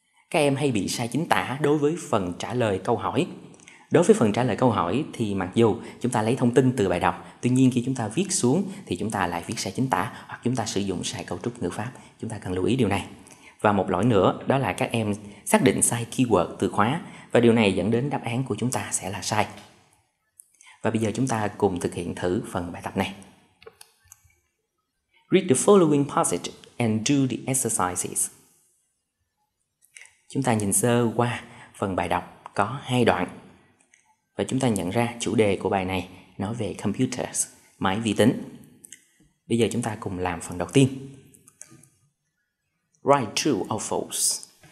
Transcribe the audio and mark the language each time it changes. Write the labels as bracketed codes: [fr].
[vi] Các em hay bị sai chính tả đối với phần trả lời câu hỏi. Đối với phần trả lời câu hỏi thì mặc dù chúng ta lấy thông tin từ bài đọc, tuy nhiên khi chúng ta viết xuống thì chúng ta lại viết sai chính tả hoặc chúng ta sử dụng sai cấu trúc ngữ pháp. Chúng ta cần lưu ý điều này. Và một lỗi nữa đó là các em xác định sai keyword từ khóa và điều này dẫn đến đáp án của chúng ta sẽ là sai. Và bây giờ chúng ta cùng thực hiện thử phần bài tập này. [en] Read the following passage and do the exercises. [vi] Chúng ta nhìn sơ qua phần bài đọc có hai đoạn. Và chúng ta nhận ra chủ đề của bài này nói về computers, máy vi tính. Bây giờ chúng ta cùng làm phần đầu tiên. [en] Write true or false.